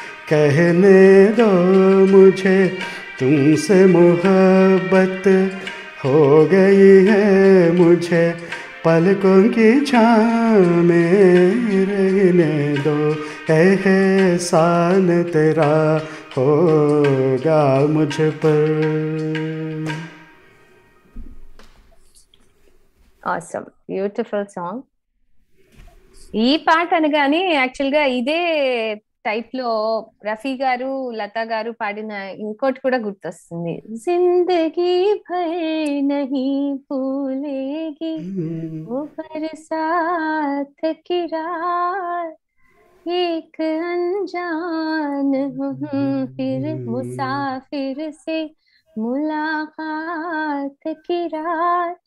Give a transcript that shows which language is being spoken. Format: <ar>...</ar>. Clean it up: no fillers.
<hi>कहने दो मुझे, तुमसे मोहब्बत हो गई है मुझे, पलकों की छाँव में रहने दो, एहसान तेरा होगा मुझ पर।</hi> <en>Awesome, beautiful song.</en> <te>ఈ పాట అనగాని యాక్చువల్గా ఇదే టైప్ లో రఫీ గారు లతా గారు పాడిన ఇంకోటి కూడా గుర్తొస్తుంది,</te> <hi>జిందగీ భర్ నహీ భూలేగీ వో బర్సాత్ కీ రాత్</hi> <te>ఏక్ అన్జాన్ హమ్ ఫిర్ ముసాఫిర్ సే ములాఖాత్ కీ రాత్.</te>